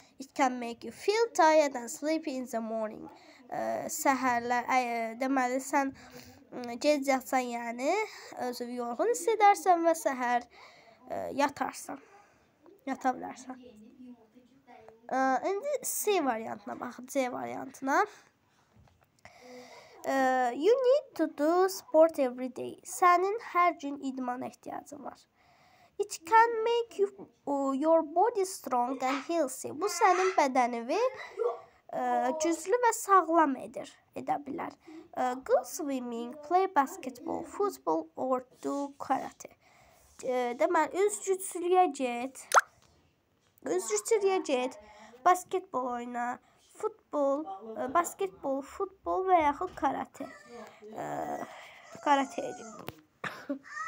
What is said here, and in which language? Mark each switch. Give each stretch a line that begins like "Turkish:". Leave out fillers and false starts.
English: It can make you feel tired and sleepy in the morning.
Azerbaijani: Səhərlər, deməli, sən gec yatsan, yəni, özü yorğun hiss edərsən və səhər yatarsan, yata bilərsən. İndi C variantına baxın, C variantına.
English: You need to do sport every day.
Azerbaijani: Sənin hər gün idman ehtiyacın var.
English: It can make you, your body strong and healthy.
Azerbaijani: Bu sənin bədənini güclü və sağlam edə bilər.
English: Go swimming, play basketball, football or do karate.
Azerbaijani: Deməli, üzücüsülüyə get, basketbol oyna, futbol və yaxud karate edin.